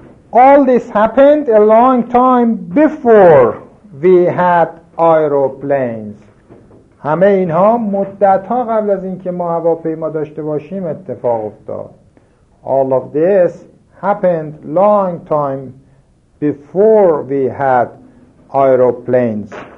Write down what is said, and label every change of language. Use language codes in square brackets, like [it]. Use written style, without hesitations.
[en] All this happened a long time before we had aeroplanes. [fa] همه اینها مدت‌ها قبل از اینکه ما هواپیما داشته باشیم اتفاق افتاد. [en] All of this happened long time before we had aeroplanes.